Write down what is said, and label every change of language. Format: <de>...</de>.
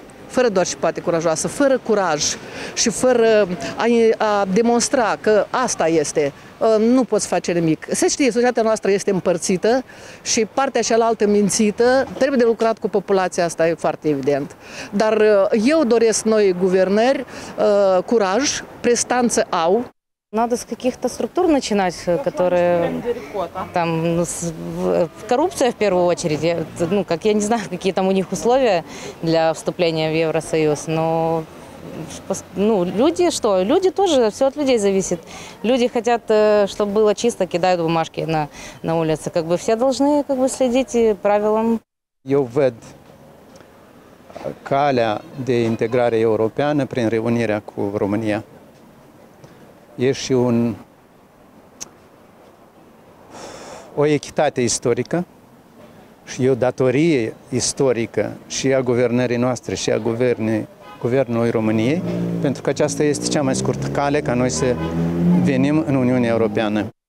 <ro>Fără doar și poate curajoasă, fără curaj și fără a demonstra că asta este, nu poți face nimic. Se știe, societatea noastră este împărțită și partea cealaltă mințită, trebuie de lucrat cu populația asta, e foarte evident. Dar eu doresc noi guvernări, curaj, prestanță au.</ro> <ru>Надо с каких-то структур начинать, которые там коррупция в первую очередь. Ну, как я не знаю, какие там у них условия для вступления в Евросоюз, но ну, люди что? Люди тоже, все от людей зависит. Люди хотят, чтобы было чисто, кидают бумажки на улице. Как бы все должны как бы следить правилам.</ru> <ro>Eu văd calea de integrare europeană prin reunirea cu România. E și o echitate istorică și o datorie istorică și a guvernării noastre și a guvernului României, pentru că aceasta este cea mai scurtă cale ca noi să venim în Uniunea Europeană.</ro>